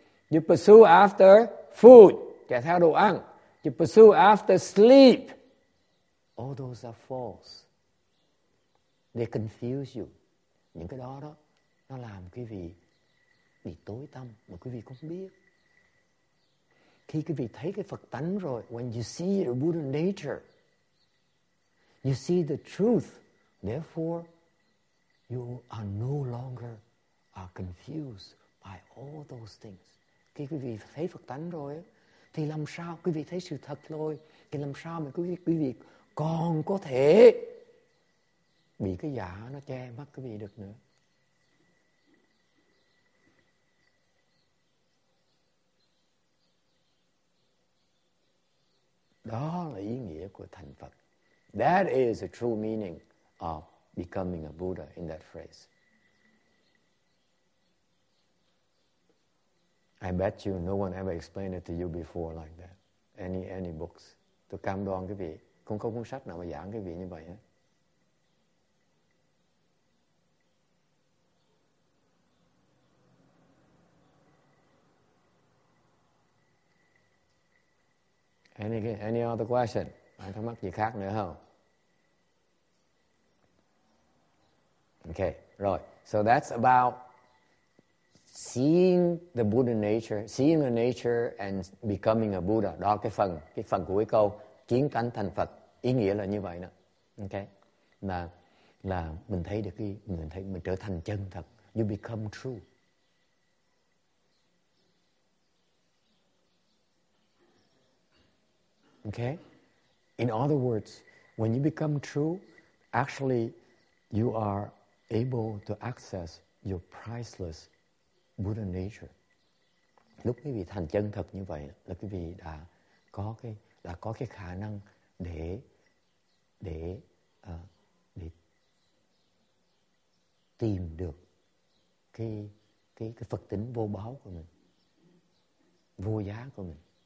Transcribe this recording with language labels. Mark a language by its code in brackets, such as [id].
[en] You pursue after food. [vi] Chạy theo đồ ăn. [en] You pursue after sleep. All those are false. They confuse you. [vi] Những cái đó, nó làm quý vị bị tối tăm mà quý vị không biết. Khi quý vị thấy cái Phật tánh rồi, [en] when you see your Buddha nature, you see the truth, therefore, you are no longer confused by all those things. [vi] Khi quý vị thấy Phật tánh rồi, thì làm sao quý vị thấy sự thật rồi, thì làm sao mà quý vị còn có thể bị cái giả nó che mắt quý vị được nữa. Đó là ý nghĩa của thành Phật. [en] That is the true meaning of becoming a Buddha in that phrase. I bet you no one ever explained it to you before like that. Any books. [vi] Tôi cam đoan quý vị, không có cuốn sách nào mà giảng quý vị như vậy hết. [en] Any other question? [vi] Ai thắc mắc gì khác nữa không? Okay, rồi. [en] So that's about seeing the Buddha nature, seeing the nature and becoming a Buddha. [vi] Đó là cái phần cuối câu, kiến tánh thành Phật. Ý nghĩa là như vậy đó. Okay. Là mình thấy được cái, mình thấy mình trở thành chân thật. [en] You become true. Okay? In other words, when you become true, actually, you are able to access your priceless Buddha nature. [vi] Lúc quý vị thành chân thật như vậy là quý vị đã có cái khả năng để tìm được cái Phật tính vô báo của mình, vô giá của mình.